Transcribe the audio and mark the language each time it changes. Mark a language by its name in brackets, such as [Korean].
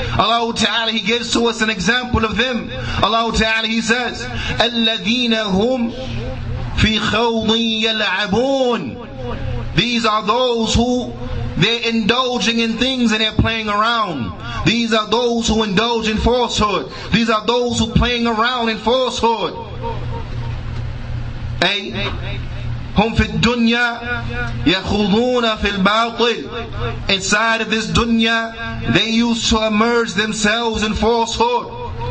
[English] Allah Ta'ala, He gives to us an example of them. Allah Ta'ala, He says, [Arabic] الَّذِينَ هُمْ فِي خَوْضٍ يَلْعَبُونَ. [English] These are those who they're indulging in things and they're playing around. These are those who indulge in falsehood. These are those who playing around in falsehood. [Arabic] Hey, هم في الدنيا يخوضون في الباطل. [English] Inside of this dunya, they used to immerse themselves in falsehood.